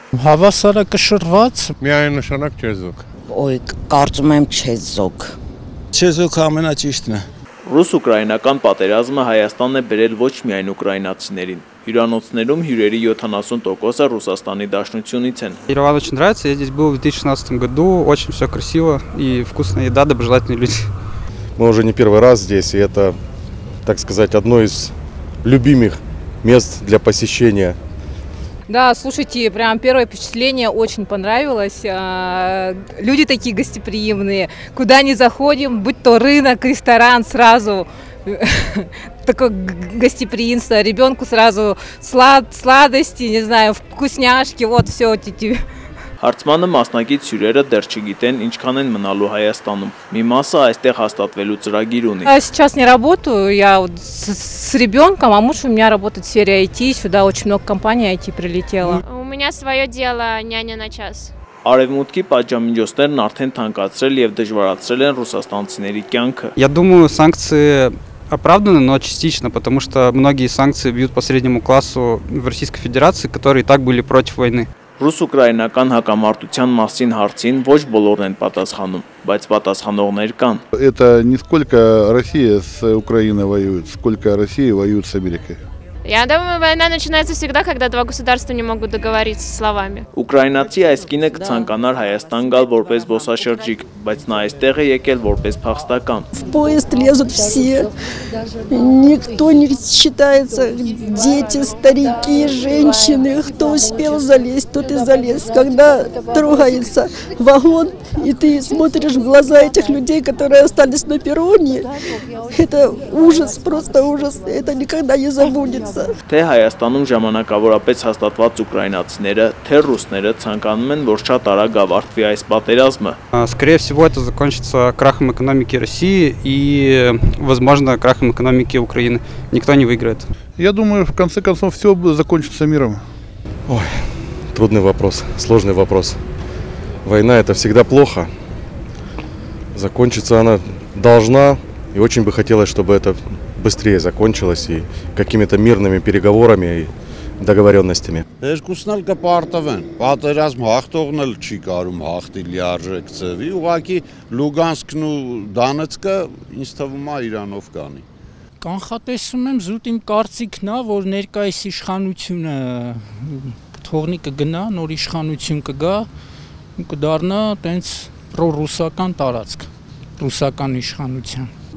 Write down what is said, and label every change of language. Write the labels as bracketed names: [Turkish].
[Armenian] Հավասարը կշռված, միայն նշանակ չեզոք։ Ой, կարծում եմ չեզոք։ Չեզոք ամենաճիշտն է։ Ռուս-ուկրաինական պատերազմը Հայաստանն է բերել ոչ միայն ուկրաինացիներին։ Հյուրանոցներում հյուրերի 70%-ը Ռուսաստանի Դաշնությունից են։ Երևանը շատ լավ է, ես [Russian] здесь был в 2016 году, очень всё красиво и вкусная еда, доброжелательные люди. Мы уже не первый раз здесь, и это, так сказать, одно из любимых мест для посещения. Да, слушайте, прям первое впечатление очень понравилось. Люди такие гостеприимные. Куда ни заходим, будь то рынок, ресторан, сразу такое гостеприимство, ребенку сразу сладости, не знаю, вкусняшки, вот все эти. [Armenian] Հարցմանը մասնակից հյուրերը դեռ չգիտեն, ինչքան են մնալու Հայաստանում։ Մի մասը այստեղ հաստատվելու ծրագիր ունի։ [Russian] Я сейчас не работаю, я вот с ребёнком, а муж у меня работает в сфере IT, сюда очень много компаний IT прилетело. У меня своё дело, няня на час. [Armenian] Արևմուտքի պատժամիջոցներն արդեն թանկացրել եւ դժվարացրել են ռուսաստանցիների կյանքը։ [Russian] Я думаю, санкции оправданы, но частично, потому что многие санкции бьют по среднему классу в Российской Федерации, которые и так были против войны. [Armenian] Ռուս-ուկրաինական հակամարտության մասին հարցին ոչ բոլորն են պատասխանում, բայց պատասխանողներ կան։ [Russian] Это не сколько Россия с Украиной воюет, сколько Россия воюет с Америкой. Я думаю, война начинается всегда, когда два государства не могут договориться словами. [Armenian] Ուկրաինացի այս կինը կցանկանար Հայաստան գալ որպես զբոսաշրջիկ, բայց նա այստեղ է եկել որպես փախստական։ [Russian] В поезд лезут все. Никто не считается: дети, старики, женщины, кто успел залезть, тот и залез. Когда трогается вагон, и ты смотришь в глаза этих людей, которые остались на перроне, это ужас, просто ужас. Это никогда не забудется. Թե Հայաստանում ժամանակավորապես հաստատված ուկրաինացիները, թե ռուսները ցանկանում են, որ շատ արագ ավարտվի այս պատերազմը։ Скорее всего, это закончится крахом экономики России и, возможно, крахом экономики Украины. Никто не выиграет. Я думаю, в конце концов всё закончится миром. Ой, трудный вопрос, сложный вопрос. Война это всегда плохо. Закончится она должна, и очень бы хотелось, чтобы это быстрее закончилось и какими-то мирными переговорами и договоренностями. [Armenian] Երկուսնալ կպարտվեն, պատերազմ հաղթողն էլ չի կարում հաղթի լիարժեք ծավի, ուղղակի Լուգանսկն ու Դանեցկը ինձ թվում է Իրանով կանի։ Կանխատեսում եմ զուտ իմ կարծիքն է, որ ներկայիս իշխանությունը թողնի կգնա, նոր իշխանություն կգա ու կդառնա տենց ռուսական տարածք, ռուսական իշխանության։